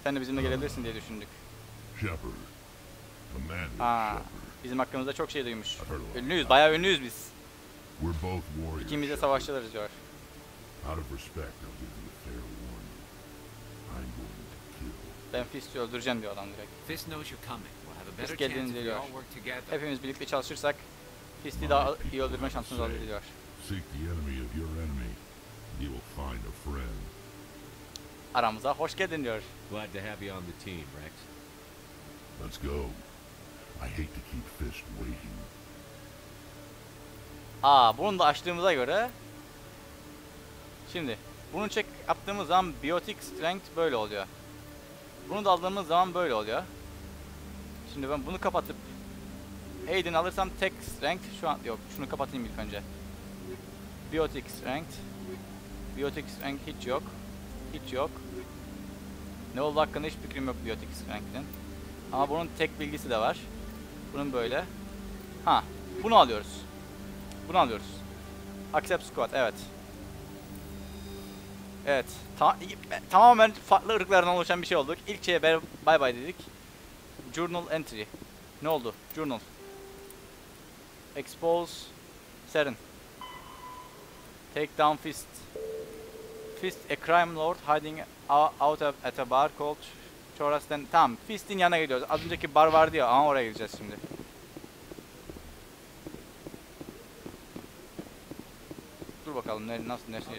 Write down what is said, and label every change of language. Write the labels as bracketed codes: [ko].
[tr] Sen de bizimle gelebilirsin diye düşündük. [en] Shepard. Commander Shepard. [tr] Bizim hakkımızda çok şey duymuş. Ünlüyüz, bayağı ünlüyüz biz. [en] We're both warriors. [tr] İkimiz de savaşçılarız diyor. [en] Out of respect, I'll give you a fair warning. I'm going to kill. [tr] Ben Fist'i öldüreceğim diyor adam direkt. [en] Fist knows you're coming. We'll have a better chance if we all work together. [tr] Hepimiz birlikte çalışırsak Fist'i daha iyi öldürme şansımız olur diyor. [en] seek the enemy of your enemy, you will find a friend. [tr] Aramıza hoş geldin diyor. [en] Glad to have you on the team, Rex. Let's go. I hate to keep Fist waiting. [tr] Aa, bunu da açtığımıza göre... Şimdi, bunu çek yaptığımız zaman biotic strength böyle oluyor. Bunu da aldığımız zaman böyle oluyor. Şimdi ben bunu kapatıp... Aiden alırsam tek strength şu an... Yok, şunu kapatayım ilk önce. Biotic strength. Biotic strength hiç yok. Hiç yok. Ne oldu hakkında hiç fikrim yok biotic strength'in. Ama bunun tek bilgisi de var. Bunun böyle. Ha, bunu alıyoruz. Bunu alıyoruz. [en] Accept squad, [tr] evet. Evet, tamamen farklı ırklardan oluşan bir şey olduk. İlk şeye bye bye dedik. [en] Journal entry. [tr] Ne oldu? Journal. Expose. Seren. [en] Take down Fist. Fist, a crime lord hiding out at a bar called Chorasten. [tr] Tamam, Fist'in yanına gidiyoruz. Az önceki bar vardı ya, ama oraya gideceğiz şimdi. Dur bakalım, nereye gideceğiz.